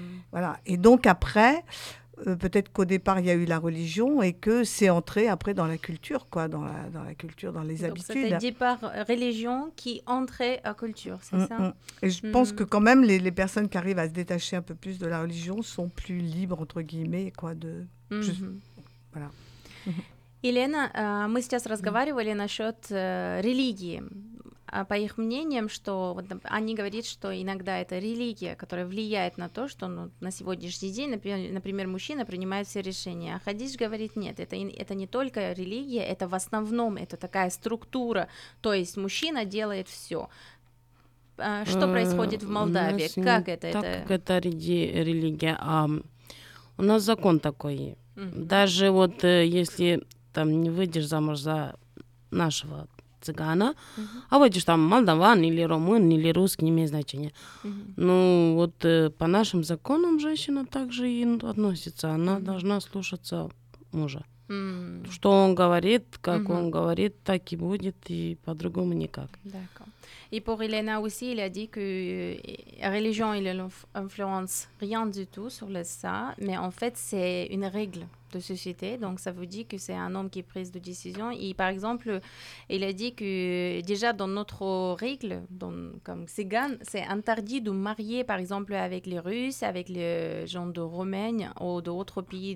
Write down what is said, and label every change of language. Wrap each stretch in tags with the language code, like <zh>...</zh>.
<fr>Voilà. Et donc après, peut-être qu'au départ, il y a eu la religion et que c'est entré après dans la culture, quoi, dans la culture, dans les habitudes. C'était dit par religion qui entrait à culture, c'est ça? Et je pense que quand même, les personnes qui arrivent à se détacher un peu plus de la religion sont plus libres, entre guillemets, quoi, de... Voilà.</fr> <ru>Елена, мы сейчас разговаривали насчет религии. По их мнениям, что вот, они говорят, что иногда это религия, которая влияет на то, что ну, на сегодняшний день, например, мужчина принимает все решения. А Хадиш говорит, нет, это не только религия, это в основном это такая структура. То есть мужчина делает все. Что происходит в Молдавии? Как это? Так это религия. У нас закон такой. Даже вот если там не выйдешь замуж за нашего цыгана, а выйдешь там молдаван или румын, или русский, не имеет значения. Ну вот по нашим законам женщина также и относится. Она должна слушаться мужа. Что он говорит, как он говорит, так и будет, и по-другому никак.</ru> <fr>D'accord. Et pour Elena aussi, il a dit que religion, il influence rien du tout sur le ça, mais en fait, c'est une règle de société, donc ça vous dit que c'est un homme qui prise de décision. Et par exemple, il a dit que déjà dans notre règle, comme Cigan, c'est interdit de marier par exemple avec les Russes, avec les gens de Roumanie ou d'autres pays.</fr>